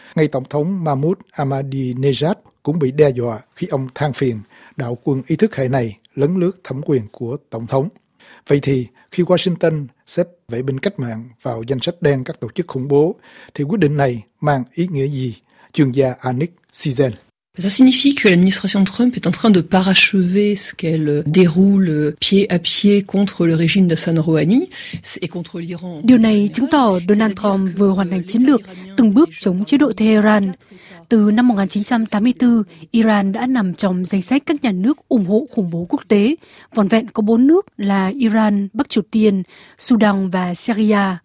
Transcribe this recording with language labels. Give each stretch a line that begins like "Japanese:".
Vietnamese: Ngay Tổng thống Mahmoud Ahmadinejad cũng bị đe dọa khi ông than phiền đạo quân ý thức hệ này lấn lướt thẩm quyền của Tổng thống. Vậy thì, khi Washington xếp vệ binh cách mạng vào danh sách đen các tổ chức khủng bố, thì quyết định này mang ý nghĩa gì? Chuyên gia Annick Sizen.
French: Ça signifie que l'administration Trump est en train de parachever ce qu'elle déroule pied à pied contre le régime d'Hassan Rouhani et contre l'Iran.
Vietnamese: Điều này chứng tỏ Donald Trump vừa hoàn thành chiến lược từng bước chống chế độ Tehran. Từ năm 1984, Iran đã nằm trong danh sách các nhà nước ủng hộ khủng bố quốc tế. Vỏn vẹn có bốn nước là Iran, Bắc Triều Tiên, Sudan và Syria.